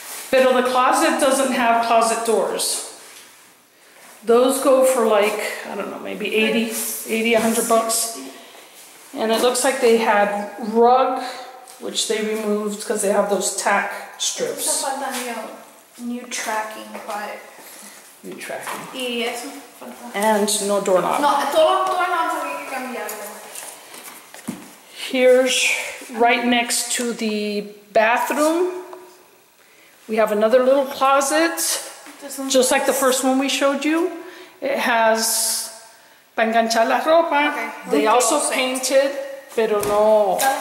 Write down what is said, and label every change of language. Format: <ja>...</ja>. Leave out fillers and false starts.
<en>But the closet doesn't have closet doors. Those go for like, I don't know, maybe 100 bucks. And it looks like they had rug, which they removed because they have those tack strips. It's stuff like that, you know, new tracking, but... New tracking. Yes. And no doorknob.</en> <es>No, todos los doorknobs hay que cambiarlos.</es> <en>Here's right next to the bathroom. We have another little closet, just like the first one we showed you. It has</en> <es>para enganchar la ropa.</es> <en>Okay. They also painted,</en> <es>pero no.</es>